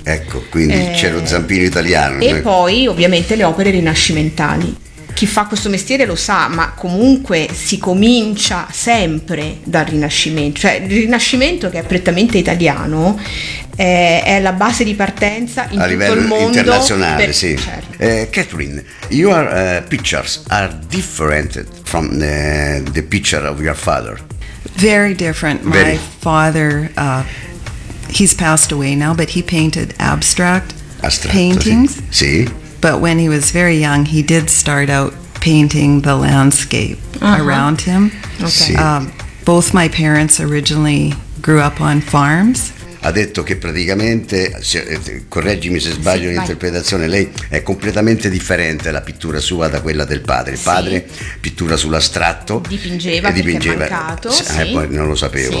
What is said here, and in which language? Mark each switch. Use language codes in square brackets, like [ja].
[it] Ecco, quindi c'è lo zampino italiano. E poi ovviamente le opere rinascimentali. Chi fa questo mestiere lo sa, ma comunque si comincia sempre dal Rinascimento. Cioè, il Rinascimento, che è prettamente italiano, è la base di partenza in a livello il mondo internazionale. Per... Sì. Certo. [en] Catherine, your pictures are different from the picture of your father. Very different. My father, he's passed away now, but he painted abstract paintings. [it] Sì. [en] But when he was very young, he did start out painting the landscape around him. Okay. Both my parents originally grew up on farms. [it] Ha detto che praticamente, correggimi se sbaglio, sì, l'interpretazione, lei è completamente differente la pittura sua da quella del padre. Il padre, sì, pittura sull'astratto, dipingeva. È mancato, poi non lo sapevo.